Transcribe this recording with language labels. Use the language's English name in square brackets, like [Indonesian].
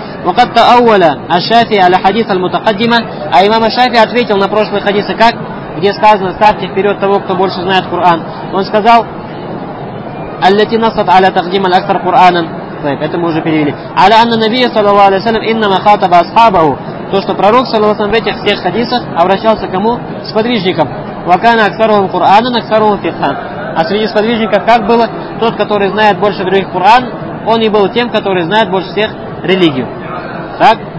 [Arabic] وقد تأول الشافعي على حديث المتقدمة. [Russian] А имам Шафии ответил на прошлые хадисы как? Где сказано, ставьте вперед того, кто больше знает Коран. Он сказал, [Arabic] التي نصت على تقديم الأكثر قرآنا. [Russian] Это мы уже перевели. [Arabic] على أن النبي صلى الله عليه وسلم إنما خاطب أصحابه. [Russian] То, что пророк, саллаллаху алейхи ва саллям, в этих всех хадисах обращался к кому? К сподвижникам. [Arabic] «Вакана аксаруху Кур'ана, аксаруху фикхан». [Russian] А среди сподвижников как было? Тот, который знает больше других Кур'ан, он и был тем, который знает больше всех религию. Так?